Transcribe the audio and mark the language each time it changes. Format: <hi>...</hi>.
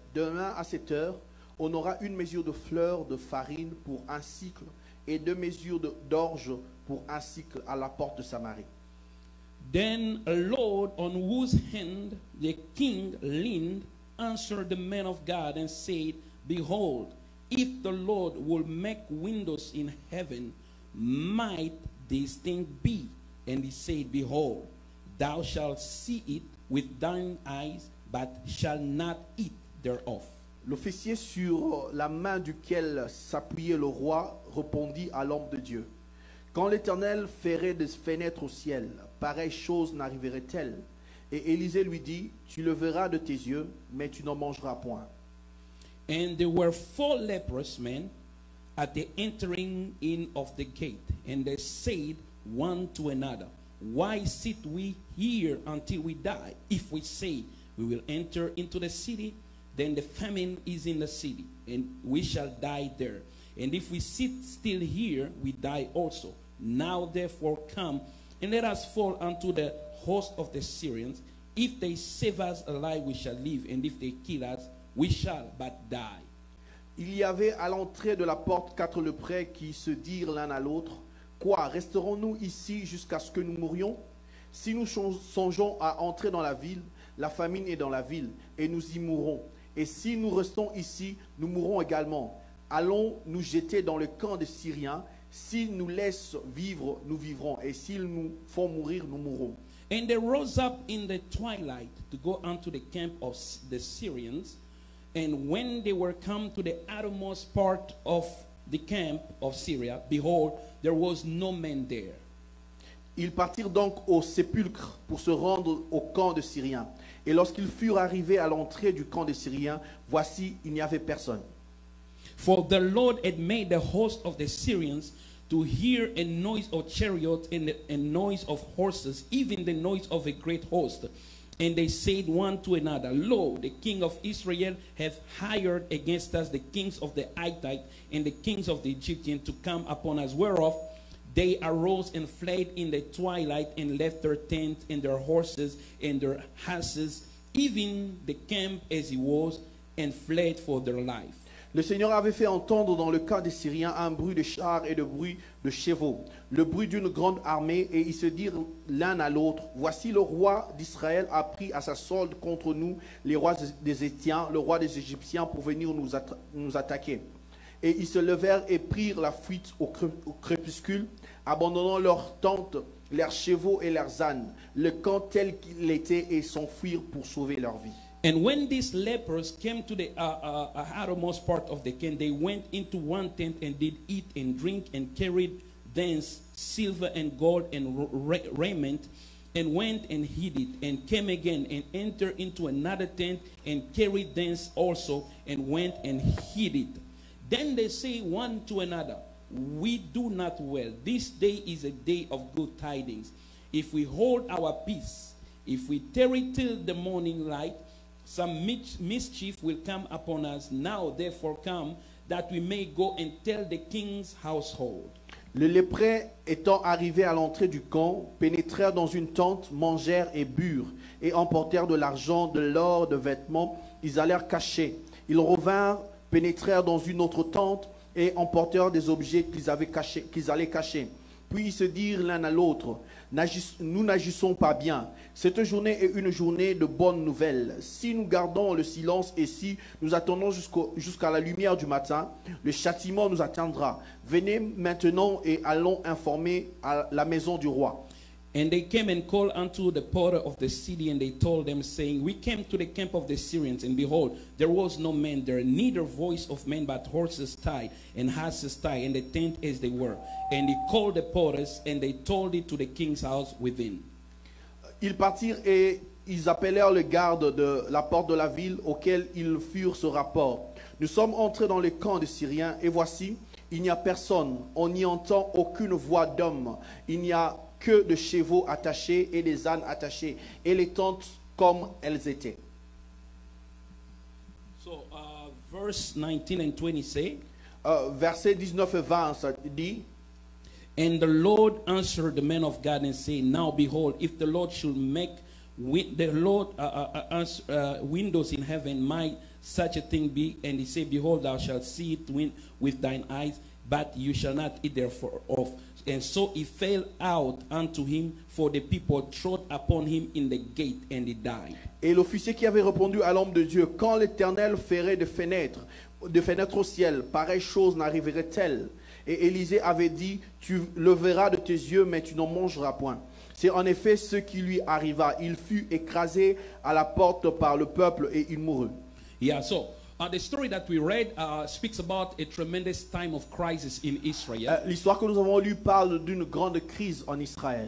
<fr>Demain à cette heure, on aura 1 mesure de fleurs de farine pour 1 cycle et 2 mesures d'orge pour 1 cycle à la porte de Samarie.</fr> <en>Then a Lord on whose hand the king leaned answered the man of God and said, behold, if the Lord will make windows in heaven, might this thing be? And he said, behold, thou shalt see it with thine eyes, but shalt not eat thereof.</en> <fr>L'officier sur la main duquel s'appuyait le roi répondit à l'homme de Dieu. Quand l'Éternel ferait des fenêtres au ciel, pareille chose n'arriverait-elle? Et Élisée lui dit, tu le verras de tes yeux, mais tu n'en mangeras point.</fr> <en>And there were 4 leprous men at the entering in of the gate, and they said, one to another, why sit we here until we die? If we say we will enter into the city, then the famine is in the city, and we shall die there. And if we sit still here, we die also. Now therefore come, and let us fall unto the host of the Syrians. If they save us alive, we shall live, and if they kill us, we shall but die.</en> <fr>Il y avait à l'entrée de la porte 4 leprés qui se dirent l'un à l'autre, quoi, resterons-nous ici jusqu'à ce que nous mourions? Si nous songeons à entrer dans la ville, la famine est dans la ville, et nous y mourrons. Et si nous restons ici, nous mourrons également. Allons nous jeter dans le camp des Syriens. S'ils nous laissent vivre, nous vivrons. Et s'ils nous font mourir, nous mourrons.</fr> <en>And they rose up in the twilight to go unto the camp of the Syrians. And when they were come to the outermost part of the camp of Syria, behold, there was no man there.</en> <fr>Ils partirent donc au sépulcre pour se rendre au camp de Syriens. Et lorsqu'ils furent arrivés à l'entrée du camp des Syriens, voici, il n'y avait personne.</fr> <en>For the Lord had made the host of the Syrians to hear a noise of chariots and a noise of horses, even the noise of a great host. And they said one to another, lo, the king of Israel hath hired against us the kings of the Hittites and the kings of the Egyptians to come upon us. Whereof they arose and fled in the twilight and left their tents and their horses and their asses, even the camp as it was, and fled for their life.</en> <fr>Le Seigneur avait fait entendre dans le camp des Syriens un bruit de chars et de bruit de chevaux, le bruit d'une grande armée, et ils se dirent l'un à l'autre, voici le roi d'Israël a pris à sa solde contre nous les rois des Éthiens, le roi des Égyptiens pour venir nous attaquer. Et ils se levèrent et prirent la fuite au crépuscule, abandonnant leurs tentes, leurs chevaux et leurs ânes, le camp tel qu'il était, et s'enfuirent pour sauver leur vie.</fr> <en>And when these lepers came to the outermost part of the camp, they went into one tent and did eat and drink and carried thence silver and gold and raiment and went and hid it and came again and entered into another tent and carried thence also and went and hid it. Then they say one to another, we do not well. This day is a day of good tidings. If we hold our peace, if we tarry till the morning light, some mischief will come upon us. Now therefore come, that we may go and tell the king's household.</en> <fr>Le lépreux étant arrivé à l'entrée du camp, pénétrèrent dans une tente, mangèrent et burent, et emportèrent de l'argent, de l'or, de vêtements. Ils allèrent cacher. Ils revinrent, pénétrèrent dans une autre tente, et emportèrent des objets qu'ils allaient cacher. puis se dire l'un à l'autre, nous n'agissons pas bien. Cette journée est une journée de bonnes nouvelles. Si nous gardons le silence et si nous attendons jusqu'à la lumière du matin, le châtiment nous attendra. Venez maintenant et allons informer à la maison du roi.</fr> <en>And they came and called unto the porter of the city, and they told them, saying, We came to the camp of the Syrians, and behold, there was no man there, neither voice of men, but horses tied and asses tied, and the tent as they were. And he called the porters, and they told it to the king's house within.</en> <fr>Ils partirent et ils appelèrent le garde de la porte de la ville, auquel ils furent ce rapport. Nous sommes entrés dans le camp des Syriens, et voici, il n'y a personne, on n'y entend aucune voix d'homme, il n'y a que de chevaux attachés et des ânes attachés et les tentes comme elles étaient.</fr> <en>So, verse 19 and 20 say,</en> <fr>verset 19 et 20 dit,</fr> <en>And the Lord answered the man of God and said, Now behold, if the Lord should make windows in heaven, might such a thing be? And he said, Behold, thou shalt see it with thine eyes, but you shall not eat thereof. And so he fell out unto him, for the people trod upon him in the gate, and he died.</en> <fr>Et l'officier qui avait répondu à l'homme de Dieu, quand l'Éternel ferait de fenêtres au ciel, pareille chose n'arriverait-elle? Et Élisée avait dit, tu le verras de tes yeux, mais tu n'en mangeras point. C'est en effet ce qui lui arriva. Il fut écrasé à la porte par le peuple, et il mourut.</fr> <en>Yeah, so. The story that we read speaks about a tremendous time of crisis in Israel.</en> <fr>L'histoire que nous avons lue parle d'une grande crise en Israël.</fr>